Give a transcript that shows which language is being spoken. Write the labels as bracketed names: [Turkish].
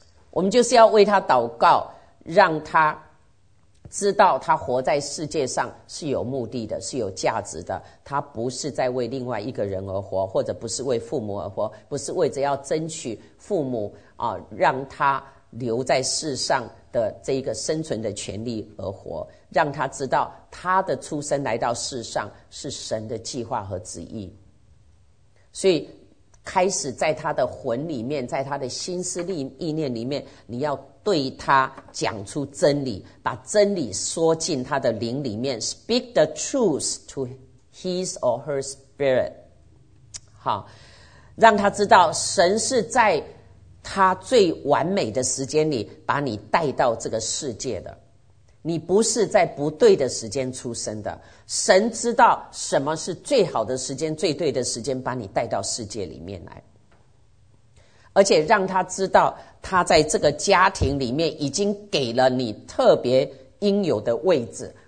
[Chinese] 我们就是要为他祷告，让他知道他活在世界上是有目的的，是有价值的，他不是在为另外一个人而活，或者不是为父母而活，不是为着要争取父母啊让他留在世上的这一个生存的权利而活，让他知道他的出生来到世上是神的计划和旨意。所以开始在他的魂里面，在他的心思力意念里面，你要对他讲出真理，把真理说进他的灵里面。 [English] Speak the truth to his or her spirit. [Chinese] 好，让他知道神是在他最完美的时间里把你带到这个世界的，你不是在不对的时间出生的。神知道什么是最好的时间，最对的时间把你带到世界里面来，而且让他知道他在这个家庭里面已经给了你特别应有的位置。